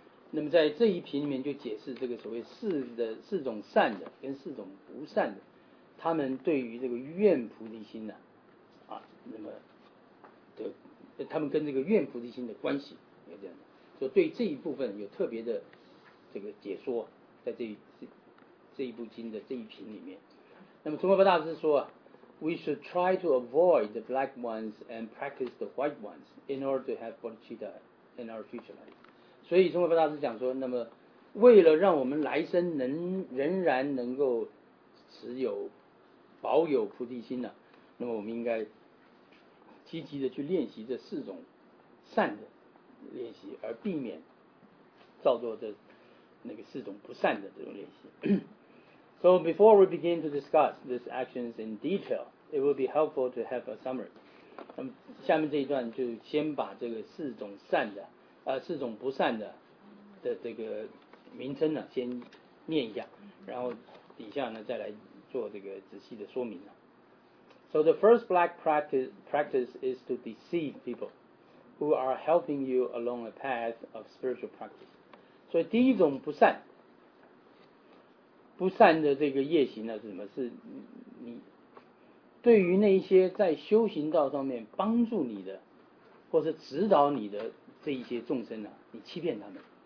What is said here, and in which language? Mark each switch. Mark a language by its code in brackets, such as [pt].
[zh] 那么在这一品里面就解释这个所谓四种善的跟四种不善的。他们对于这个愿菩提心呢、啊，啊，那么的，他们跟这个愿菩提心的关系有这样的，所以对这一部分有特别的这个解说，在这一部经的这一品里面。那么宗喀巴大师说 [en] ，We should try to avoid the black ones and practice the white ones in order to have bodhicitta in our future life。 [zh] 所以宗喀巴大师讲说，那么为了让我们来生仍然能够持有。保有菩提心呢、啊，那么我们应该积极的去练习这四种善的练习，而避免造作这那个四种不善的这种练习。 [en] So before we begin to discuss these actions in detail, it will be helpful to have a summary. [zh] 那么下面这一段就先把这个四种善的四种不善的这个名称呢先念一下，然后底下呢再来。做这个仔细的说明了。 [en] So the first black practice is to deceive people who are helping you along a path of spiritual practice. [zh] 所以第一种不善的这个业行呢是什么？是你对于那些在修行道上面帮助你的，或是指导你的这一些众生呢、啊，你欺骗他们。